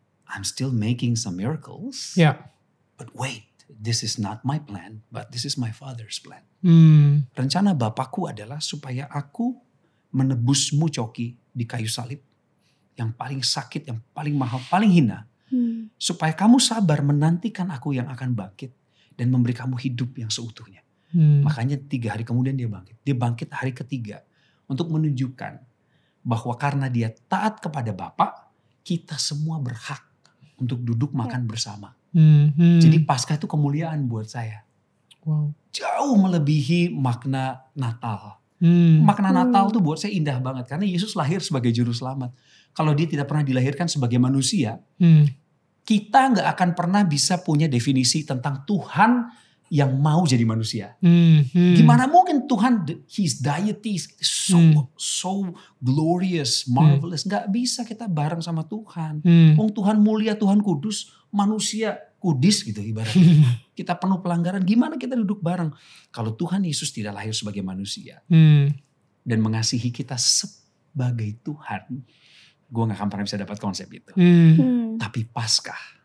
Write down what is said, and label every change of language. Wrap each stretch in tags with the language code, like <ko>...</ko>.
<en>I'm still making some miracles. But wait, this is not my plan, but this is my Father's plan.</en> <id>Rencana Bapakku adalah supaya aku menebusmu, Coki, di kayu salib. Yang paling sakit, yang paling mahal, paling hina. Supaya kamu sabar menantikan aku yang akan bangkit. Dan memberi kamu hidup yang seutuhnya. Makanya tiga hari kemudian dia bangkit. Dia bangkit hari ketiga. Untuk menunjukkan bahwa karena dia taat kepada Bapa, kita semua berhak untuk duduk makan bersama. Jadi Paskah itu kemuliaan buat saya. Jauh melebihi makna Natal. Makna Natal tuh buat saya indah banget. Karena Yesus lahir sebagai juru selamat. Kalau dia tidak pernah dilahirkan sebagai manusia. Kita gak akan pernah bisa punya definisi tentang Tuhan yang mau jadi manusia. Gimana mungkin Tuhan,</id> <en>His deity is so, so glorious, marvelous.</en> <id>Gak bisa kita bareng sama Tuhan. Tuhan mulia, Tuhan kudus, manusia kudis gitu ibaratnya. Kita penuh pelanggaran, gimana kita duduk bareng. Kalau Tuhan Yesus tidak lahir sebagai manusia. Dan mengasihi kita sebagai Tuhan. Gue gak akan pernah bisa dapat konsep itu. Tapi Paskah.</id>